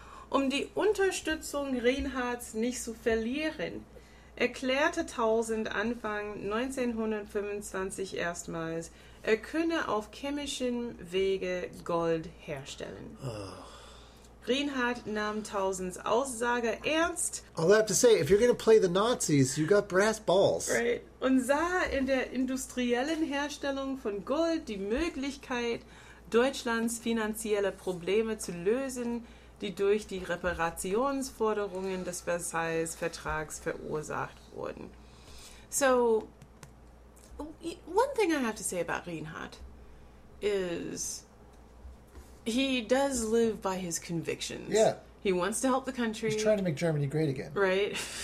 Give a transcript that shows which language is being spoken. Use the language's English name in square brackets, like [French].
[German] Um die Unterstützung Rienhardts nicht zu verlieren, erklärte 1000 Anfang 1925 erstmals, er könne auf chemischen Wege Gold herstellen. Oh. Rienhardt nahm 1000s Aussage ernst. [English] All I have to say, if you're going to play the Nazis, you got brass balls. Right. [German] Und sah in der industriellen Herstellung von Gold die Möglichkeit, Deutschlands finanzielle Probleme zu lösen, die durch die Reparationsforderungen des Versailles-Vertrags verursacht wurden. [English] So, one thing I have to say about Rienhardt is... He does live by his convictions. Yeah. He wants to help the country. He's trying to make Germany great again. Right.